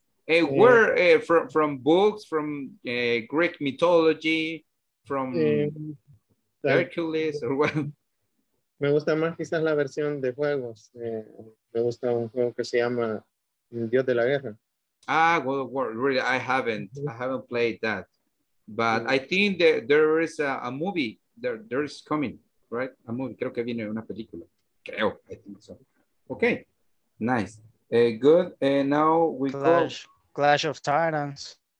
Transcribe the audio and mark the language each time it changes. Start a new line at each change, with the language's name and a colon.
English: Hey, where from books, from Greek mythology, from Hercules, or what?
Spanish: Me gusta más quizás la versión de juegos. Me gusta un juego que se llama Dios de la Guerra.
English: Ah, God of War. Really, I haven't played that. But I think that there is a movie. There is coming, right? A movie.
Spanish: Creo que viene una película. Creo,
English: I think so. Okay, nice. Good, and now we Clash of Titans.